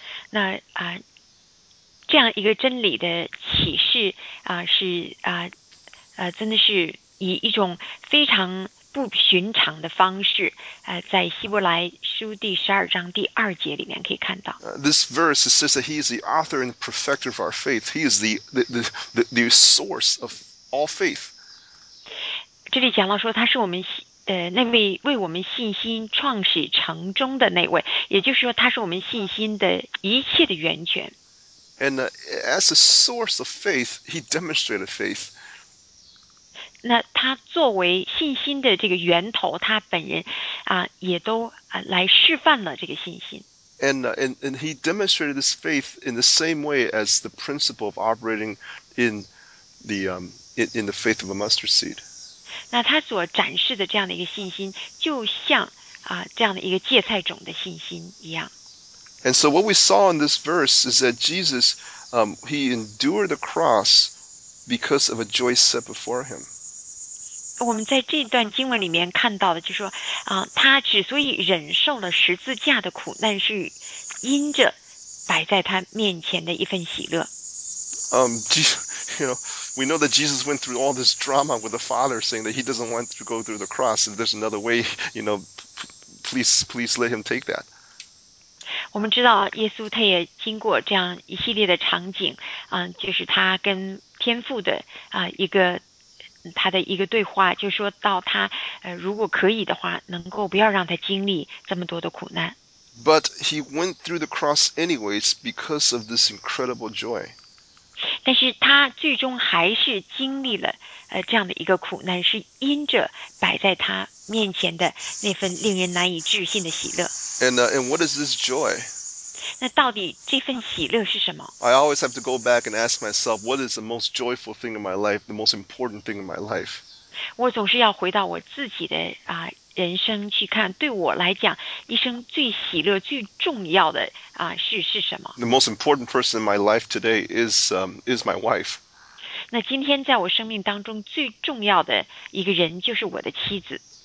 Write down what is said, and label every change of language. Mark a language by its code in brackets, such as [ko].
[zh] 那这样一个真理的启示是真的是以一种非常不寻常的方式在希伯来书第十二章第二节里面可以看到。 [en] This verse says that he is the author and perfecter of our faith. He is the source of all faith. [zh] 这里讲到说他是我们那位为我们信心创始成终的那位，也就是说他是我们信心的一切的源泉。 [en] And as a source of faith, he demonstrated faith. [zh] 那他作为信心的这个源头，他本人啊，也都来示范了这个信心。 [en] And he demonstrated this faith in the same way as the principle of operating in the faith of a mustard seed. [zh] 那他所展示的这样的一个信心，就像啊这样的一个芥菜种的信心一样。 [en] And so what we saw in this verse is that Jesus, he endured the cross because of a joy set before him. [zh] 我们在这段经文里面看到的，就是说，他之所以忍受了十字架的苦难，是因着摆在他面前的一份喜乐。 [en] You know, We know that Jesus went through all this drama with the Father, saying that he doesn't want to go through the cross. If there's another way, you know, please let him take that. [zh] 我们知道耶稣他也经过这样一系列的场景，就是他跟天父的一个他的一个对话，就说到他如果可以的话，能够不要让他经历这么多的苦难。 [en] But he went through the cross anyways because of this incredible joy. [zh] 但是他最终还是经历了这样的一个苦难，是因着摆在他面前的那份令人难以置信的喜乐。 [en] And what is this joy? [zh] 那到底这份喜乐是什么？ [en] I always have to go back and ask myself, what is the most joyful thing in my life, the most important thing in my life? [zh] 我总是要回到我自己的人生去看，对我来讲，一生最喜乐、最重要的是什么？ [en] The most important person in my life today is my wife. [zh] 那今天在我生命当中最重要的一个人就是我的妻子。